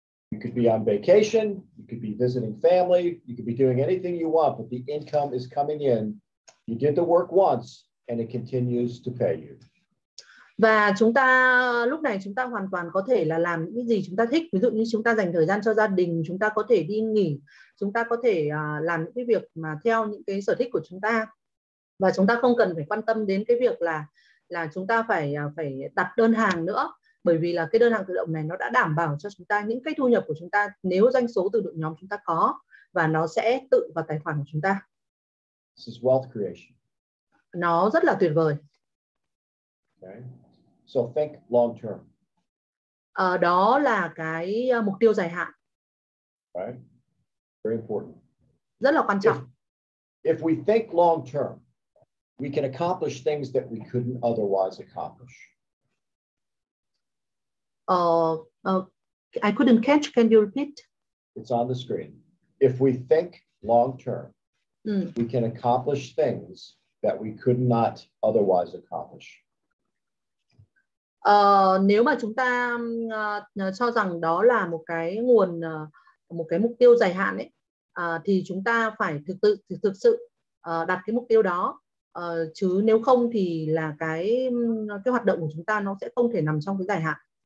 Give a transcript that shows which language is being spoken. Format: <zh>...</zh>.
<en>You could be on vacation, you could be visiting family, you could be doing anything you want, but the income is coming in. You did the work once and it continues to pay you.</en> <vi>Và chúng ta lúc này chúng ta hoàn toàn có thể là làm những gì chúng ta thích, ví dụ như chúng ta dành thời gian cho gia đình, chúng ta có thể đi nghỉ, chúng ta có thể làm những cái việc mà theo những cái sở thích của chúng ta, và chúng ta không cần phải quan tâm đến cái việc là chúng ta phải đặt đơn hàng nữa, bởi vì là cái đơn hàng tự động này nó đã đảm bảo cho chúng ta những cái thu nhập của chúng ta nếu doanh số từ đội nhóm chúng ta có, và nó sẽ tự vào tài khoản của chúng ta.</vi> <en>This is wealth creation.</en> <vi>Nó rất là tuyệt vời.</vi> <en>Okay. So think long term.</en> <vi>Đó là cái mục tiêu dài hạn.</vi> <en>Right. Very important.</en> <vi>Rất là quan trọng.</vi> <en>If we think long term, we can accomplish things that we couldn't otherwise accomplish. I couldn't catch. Can you repeat? It's on the screen. If we think long term, we can accomplish things that we could not otherwise accomplish.</en> <vi>Nếu mà chúng ta cho rằng đó là một cái nguồn một cái mục tiêu dài hạn ấy, thì chúng ta phải thực sự đặt cái mục tiêu đó, chứ nếu không thì là cái hoạt động của chúng ta nó sẽ không thể nằm trong cái dài hạn.</vi>